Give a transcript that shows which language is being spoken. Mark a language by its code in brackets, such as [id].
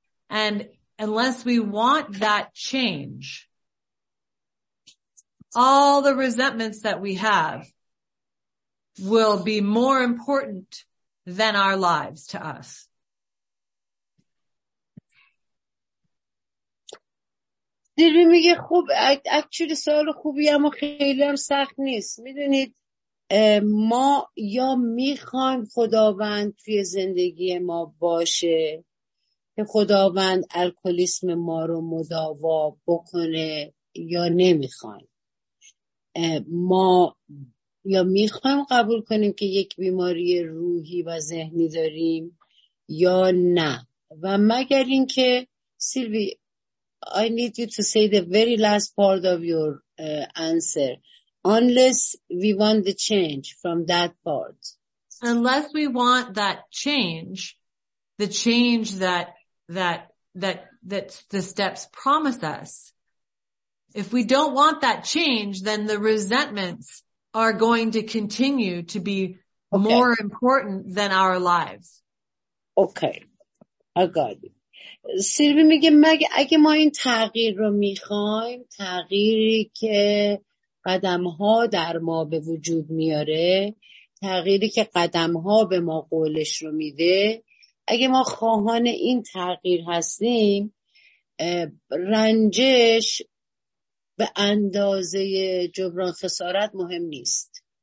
[en] And unless we want that change, all the resentments that we have will be more important than our lives to us. [fa] دیروی میگه خوب اکچولی سوال خوبی اما خیلی هم سخت نیست. میدونید ما یا میخوایم خداوند توی زندگی ما باشه که خداوند الکلیسم ما رو مداوا بکنه یا نمیخوایم. ما یا میخوایم قبول کنیم که یک بیماری روحی و ذهنی داریم یا نه. و مگر اینکه سیلوی [en] I need you to say the very last part of your answer. Unless we want the change from that part. Unless we want that change, the change that the steps promise us. If we don't want that change, then the resentments are going to continue to be more important than our lives. Okay, I got it. [fa] سیلوی میگه مگه اگه ما این تغییر رو میخوایم، تغییری که قدمها در ما به وجود میاره، تغییری که قدمها به ما قولش رو میده، اگه ما خواهان این تغییر هستیم، رنجش به اندازه جبران خسارت مهم نیست.